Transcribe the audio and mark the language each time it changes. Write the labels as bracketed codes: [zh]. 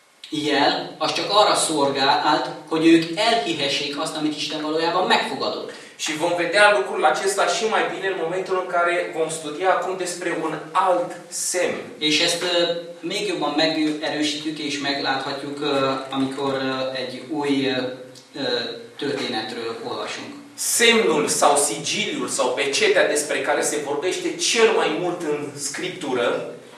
[hu] A látható jel az csak arra szolgált, hogy ők elhihessék azt, amit Isten valójában megfogadott. [ro] Și vom vedea lucrul acesta și mai bine în momentul în care vom studia acum despre un alt semn. [hu] És ezt még jobban megerősítjük és megláthatjuk, amikor egy új történetről olvasunk. [ro] Semnul sau sigiliul sau pecetea despre care se vorbește cel mai mult în Scriptură,